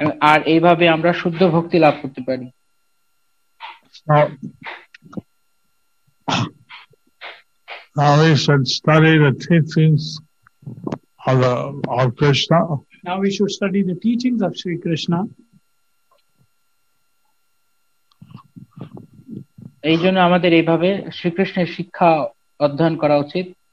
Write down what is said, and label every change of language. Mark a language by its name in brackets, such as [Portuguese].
[Bangla] আর এইভাবে আমরা শুদ্ধ ভক্তি লাভ করতে পারি। [English] Now we should study the teachings of Krishna. Now we should study the teachings of Sri Krishna. [Bangla] এই জন্য আমাদের এইভাবে শ্রীকৃষ্ণের শিক্ষা অধ্যয়ন করা উচিত।